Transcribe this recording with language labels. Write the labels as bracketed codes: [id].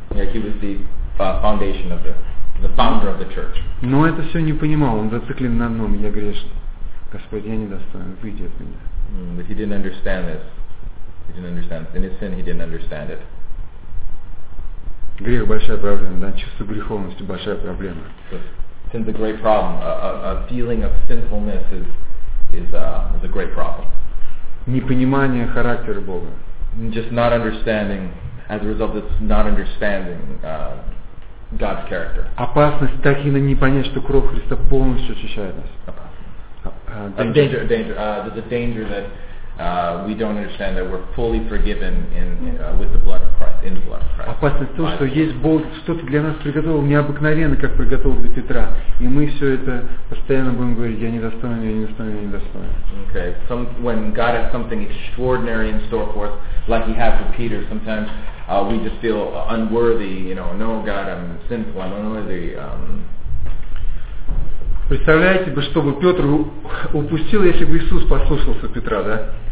[en] Yeah, he was the foundation of the founder of the church. [ru] Но это все не понимал, он зациклен на одном: я грешный, Господи, я недостоин, выйди от меня. [en] But he didn't understand this. He didn't understand. In his sin, he didn't understand it. [ru] Грех — большая проблема, да, чувство греховности — большая проблема. [en] Sin's a great problem. A feeling of sinfulness is a great problem. [ru] Непонимание характера Бога. [en] Just not understanding, as a result of not understanding God's character. [ru] Опасность так и не понять, что кровь Христа полностью очищает нас. [en] Danger. There's a danger that we don't understand that we're fully forgiven with the blood of Christ, in the blood of Christ. [ru] Опасность то, что есть Бог, что-то для нас приготовил необыкновенно, как приготовил для Петра, и мы все это постоянно будем говорить: я недостоин, я недостоин, я недостоин. [en] Okay. When God has something extraordinary in store for us, like He had for Peter, sometimes we just feel unworthy. You know, no, God, I'm sinful, I'm unworthy. [ru] Представляете бы, чтобы Петр упустил, если бы Иисус послушался Петра, да?